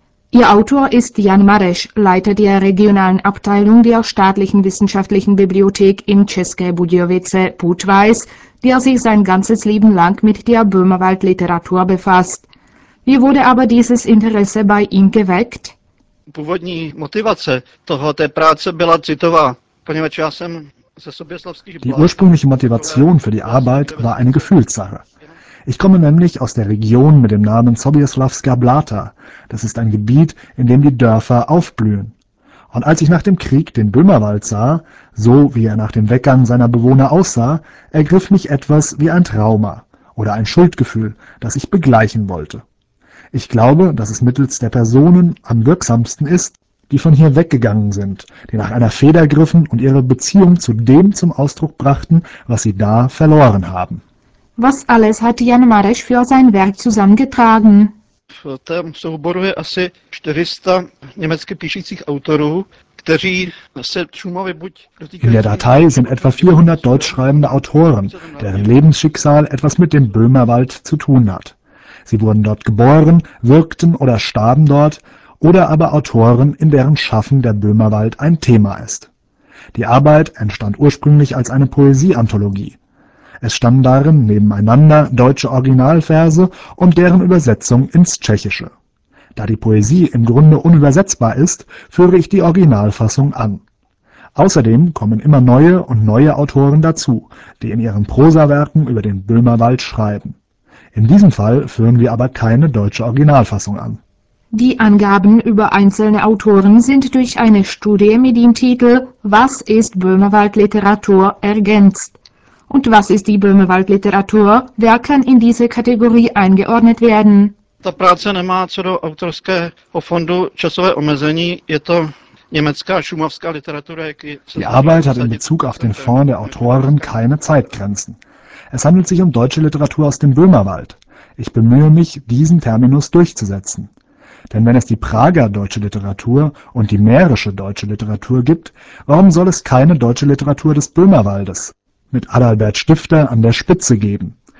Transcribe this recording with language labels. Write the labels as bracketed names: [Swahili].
[German] Ihr Autor ist Jan Mareš, Leiter der regionalen Abteilung der staatlichen wissenschaftlichen Bibliothek in České Budějovice, Budweis, der sich sein ganzes Leben lang mit der Böhmerwald-Literatur befasst. Wie wurde aber dieses Interesse bei ihm geweckt? [Czech] Původní motivace tohoto práce byla citová, poněvadž já jsem ze Soběslavských [German] Blat. Die ursprüngliche Motivation für die Arbeit war eine Gefühlssache. Ich komme nämlich aus der Region mit dem Namen Soběslavská Blata. Das ist ein Gebiet, in dem die Dörfer aufblühen. Und als ich nach dem Krieg den Böhmerwald sah, so wie er nach dem Weggang seiner Bewohner aussah, ergriff mich etwas wie ein Trauma oder ein Schuldgefühl, das ich begleichen wollte. Ich glaube, dass es mittels der Personen am wirksamsten ist, die von hier weggegangen sind, die nach einer Feder griffen und ihre Beziehung zu dem zum Ausdruck brachten, was sie da verloren haben. Was alles hat Jan Mareš für sein Werk zusammengetragen? [Czech] V tom souboru je asi 400 německy píšících autorů, kteří se Šumavy buď dotýkají. [German] In der Datei sind etwa 400 deutschschreibende Autoren, deren Lebensschicksal etwas mit dem Böhmerwald zu tun hat. Sie wurden dort geboren, wirkten oder starben dort, oder aber Autoren, in deren Schaffen der Böhmerwald ein Thema ist. Die Arbeit entstand ursprünglich als eine Poesieanthologie. Es standen darin nebeneinander deutsche Originalverse und deren Übersetzung ins Tschechische. Da die Poesie im Grunde unübersetzbar ist, führe ich die Originalfassung an. Außerdem kommen immer neue und neue Autoren dazu, die in ihren Prosawerken über den Böhmerwald schreiben. In diesem Fall führen wir aber keine deutsche Originalfassung an. Die Angaben über einzelne Autoren sind durch eine Studie mit dem Titel »Was ist Böhmerwald-Literatur?« ergänzt. Und was ist die Böhmerwald-Literatur? Wer kann in diese Kategorie eingeordnet werden? [Czech] Ta práce nemá co do autorského fondu časové omezení, je to německá šumavská literatura, jak je... [German] Die Arbeit hat in Bezug auf den Fonds der Autoren keine Zeitgrenzen. Es handelt sich um deutsche Literatur aus dem Böhmerwald. Ich bemühe mich, diesen Terminus durchzusetzen. Denn wenn es die Prager deutsche Literatur und die mährische deutsche Literatur gibt, warum soll es keine deutsche Literatur des Böhmerwaldes mit Adalbert Stifter an der Spitze geben?